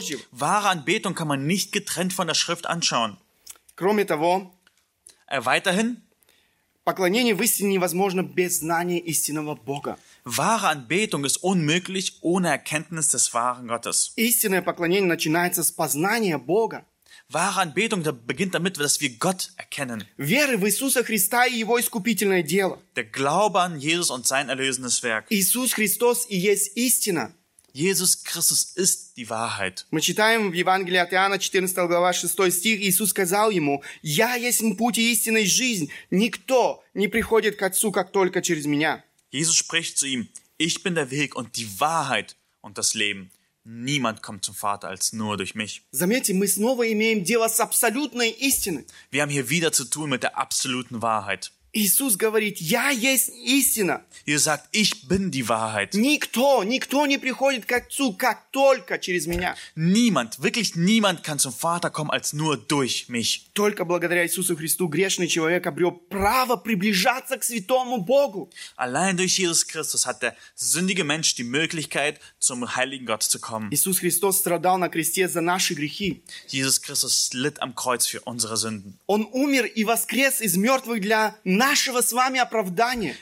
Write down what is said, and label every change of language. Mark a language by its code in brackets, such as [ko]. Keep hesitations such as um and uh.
[de] Wahre Anbetung kann man nicht getrennt von der Schrift anschauen. weiterhin. [ru] Поклонение в истине невозможно без знания истинного Бога. [de] Wahre Anbetung ist unmöglich ohne Erkenntnis des wahren Gottes. [ru] Истинное поклонение начинается с познания Бога. [de] Wahre Anbetung beginnt damit, dass wir Gott erkennen. [ru] Веры в Иисуса Христа и Его искупительное дело. [de] Der Glaube an Jesus und sein erlösendes Werk. [ru] Иисус Христос и есть истина. [de] Jesus Christus ist die Wahrheit. [ru] Мы читаем в Евангелии от Иоанна 14 глава 6 стих, Иисус сказал ему, «Я есть путь и истинной жизнь, никто не приходит к Отцу, как только через Меня». [de] Jesus spricht zu ihm, «Ich bin der Weg und die Wahrheit und das Leben». Niemand kommt zum Vater als nur durch mich. [ru] Заметьте, мы снова имеем дело с абсолютной истиной. [de] Wir haben hier wieder zu tun mit der absoluten Wahrheit. [ru] Иисус говорит, я есть истина. [de] Jesus sagt, ich bin die [ru] никто, никто не приходит к Отцу, как только через меня. [de] Niemand, wirklich niemand kann zum Vater kommen, als nur durch mich. [ru] Только благодаря Иисусу Христу грешный человек обрел право приближаться к святому Богу. [de] Allein durch Jesus Christus hat der sündige Mensch die Möglichkeit, zum Heiligen Gott zu kommen. [ru] Иисус Христос страдал на кресте за наши грехи. [de] Jesus Christus litt am Kreuz für unsere Sünden. [ru] Он умер и воскрес из мертвых для нашего с вами оправдания.